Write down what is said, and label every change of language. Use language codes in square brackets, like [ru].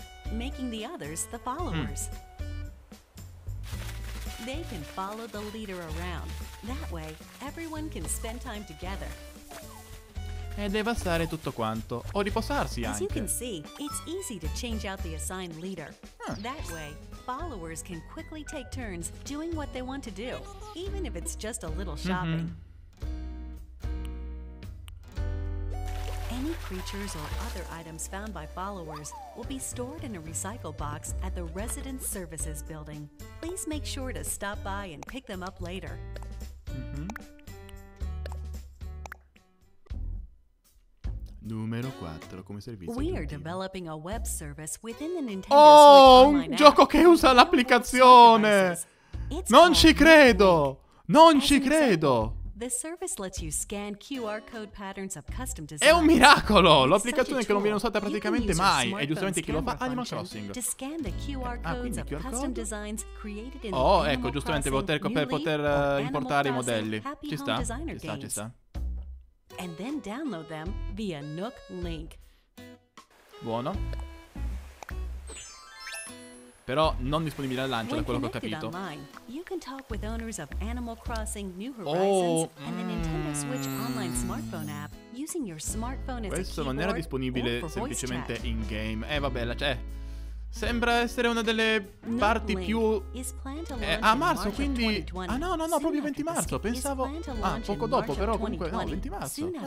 [en] Making the others the followers. They can follow the leader around. That way everyone can spend time together. [it] E devastare tutto quanto o riposarsi anche. [en] As you can see, it's easy to change out the assigned leader. That way, followers can quickly take turns doing what they want to do, even if it's just a little shopping. Mm-hmm. Any creatures or other items found by followers will be stored in a recycle box at the Residence Services building. Please make sure to stop by and pick them up later. [it] Numero 4 come servizio. [en] We are developing a web service within the Nintendo Switch Online. [it] Oh, un gioco che usa l'applicazione. Non ci credo. Non ci credo. [en] The service lets you scan QR code patterns of custom design. [it] È un miracolo! L'applicazione che non viene usata praticamente mai. E giustamente chi lo fa? Animal Crossing. [en] To scan the QR codes of custom designs created in the [it] Oh, ecco, giustamente per poter importare i modelli. Ci sta? Ci sta. [en] And then download them via Nook Link. [it] Buono. Però non disponibile al lancio, [en] when [it] da quello che ho capito. [en] Online, you can talk with owners of Animal Crossing New Horizons and the Nintendo Switch Online smartphone app using your smartphone as a [it] keyboard. Questo non era disponibile semplicemente in game. Vabbè, cioè, sembra essere una delle parti più a marzo, quindi no, proprio 20 marzo, pensavo poco dopo, però comunque no, 20 marzo.